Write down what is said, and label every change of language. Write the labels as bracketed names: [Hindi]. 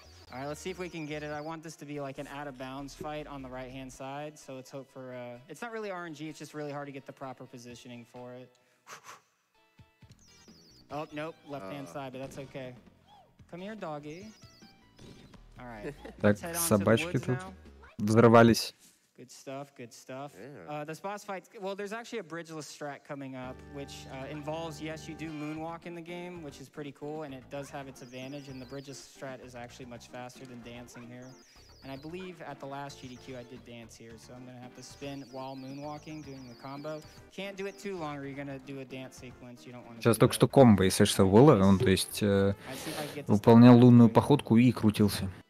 [English] Alright, let's see if we can get it. I want this to be like an out-of-bounds fight on the right-hand side, so let's hope for, it's not really RNG, it's just really hard to get the proper positioning for it. Oh, nope, left-hand side, but that's okay. Come here, doggy. Alright. [Russian] Так, собачки тут взорвались. [English] Good stuff, good stuff. Yeah. This boss fight, well, there's actually a bridgeless strat coming up, which involves, yes, you do moonwalk in the game, which is pretty cool, and it does have its advantage, and the bridgeless strat is actually much faster than dancing here. And I believe at the last GDQ I did dance here, so I'm going to have to spin while moonwalking, doing the combo. Can't do it too long, or you're going to do a dance sequence, you don't want to. [Russian] Сейчас только что комбо, если что было, он, то есть, выполнял лунную походку и крутился.